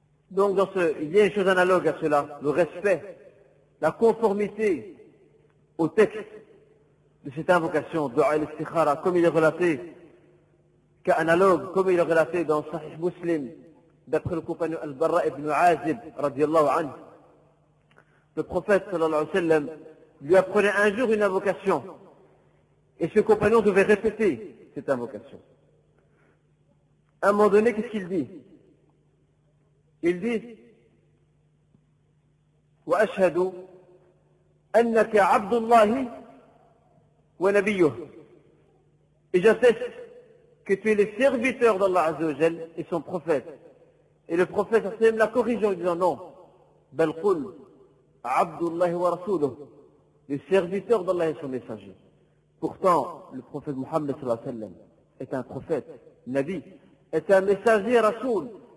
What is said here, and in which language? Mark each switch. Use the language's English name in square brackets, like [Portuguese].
[French] Donc dans ce, il y a une chose analogue à cela, le respect, la conformité au texte de cette invocation, du'a al-istikhara, comme il est relaté, qu'analogue, comme il est relaté dans Sahih Muslim, d'après le compagnon Al-Barra ibn Azib, radiallahu anhu, le prophète, sallallahu alayhi wa sallam, lui apprenait un jour une invocation, et ce compagnon devait répéter cette invocation. À un moment donné, qu'est-ce qu'il dit? Il dit, [Arabic] وأشهد أنك عبد الله ونبيه. [French] Et j'atteste que tu es le serviteur d'Allah Azzawajal et son prophète. Et le prophète Hassan l'a corrigé en disant non. Belkul, [Arabic] Abdullah wa Rasuluh, [French] le serviteur d'Allah et son messager. Pourtant, le prophète Muhammad sallallahu alayhi wa sallam est un prophète, Nabi, est un messager Rasul.